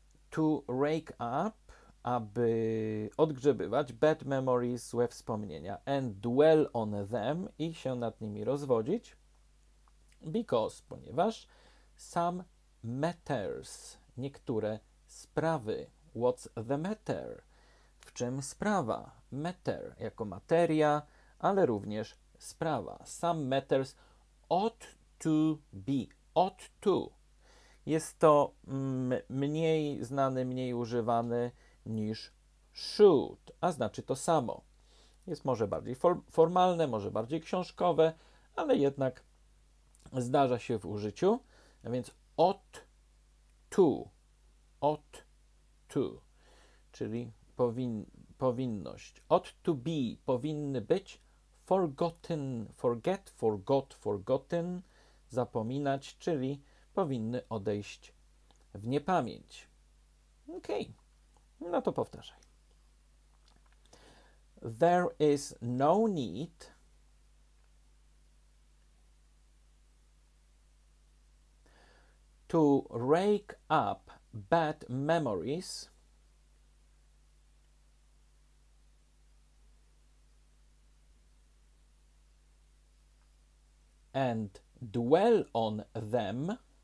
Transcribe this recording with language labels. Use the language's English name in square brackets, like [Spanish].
[English] To rake up, [Polish] aby odgrzebywać [English] bad memories, [Polish] złe wspomnienia, [English] and dwell on them [Polish] i się nad nimi rozwodzić, [English] because, [Polish] ponieważ, [English] some matters, [Polish] niektóre sprawy. [English] What's the matter? [Polish] W czym sprawa? Matter jako materia, ale również sprawa. [English] Some matters ought to be. Ought to. [Polish] Jest to mniej znany, mniej używany niż should, a znaczy to samo. Jest może bardziej formalne, może bardziej książkowe, ale jednak zdarza się w użyciu. A więc [English] ought to. Ought to. [Polish] Czyli powinność. [English] Ought to be, [Polish] powinny być, [English] forgotten, forget, forgot, forgotten, [Polish] zapominać, czyli powinny odejść w niepamięć. Okej, okay. No to powtarzaj. [English] There is no need to rake up bad memories and dwell on them,